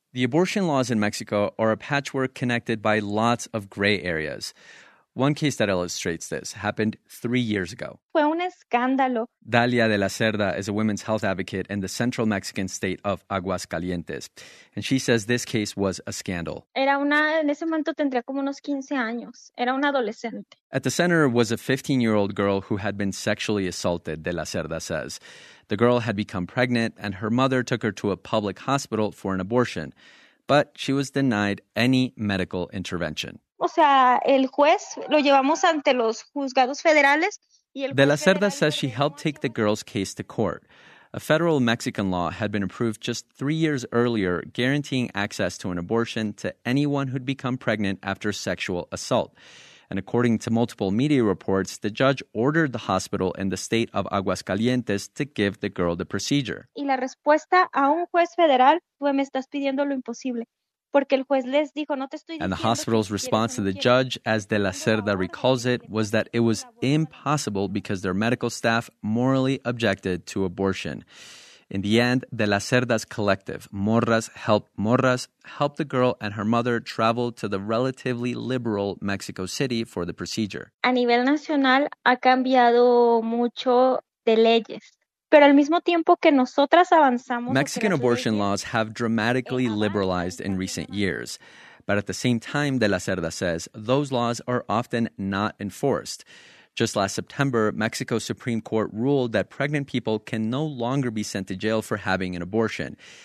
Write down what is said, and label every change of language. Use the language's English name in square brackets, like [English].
[English] The abortion laws in Mexico are a patchwork connected by lots of gray areas. One case that illustrates this happened 3 years ago. [Spanish] Fue un escándalo. [English] Dalia de la Cerda is a women's health advocate in the central Mexican state of Aguascalientes. And she says this case was a scandal. [Spanish] Era una, en ese momento tendría como unos 15 años. Era una adolescente. [English] At the center was a 15-year-old girl who had been sexually assaulted, de la Cerda says. The girl had become pregnant, and her mother took her to a public hospital for an abortion. But she was denied any medical intervention. [Spanish] O sea, el juez lo llevamos ante los juzgados federales. [English] De la Cerda says she helped take the girl's case to court. A federal Mexican law had been approved just 3 years earlier, guaranteeing access to an abortion to anyone who'd become pregnant after sexual assault. And according to multiple media reports, the judge ordered the hospital in the state of Aguascalientes to give the girl the procedure. [Spanish] Y la respuesta a un juez federal fue, me estás pidiendo lo imposible. Porque el juez les dijo, no te estoy diciendo. [English] And the hospital's response to the judge, as De La Cerda recalls it, was that it was impossible because their medical staff morally objected to abortion. In the end, De La Cerda's collective, Morras Help Morras, helped the girl and her mother travel to the relatively liberal Mexico City for the procedure. [Spanish] A nivel nacional ha cambiado mucho de leyes. Pero al mismo tiempo que nosotras avanzamos, [English] Mexican abortion laws have dramatically liberalized in recent years. But at the same time, De La Cerda says, those laws are often not enforced. Just last September, Mexico's Supreme Court ruled that pregnant people can no longer be sent to jail for having an abortion.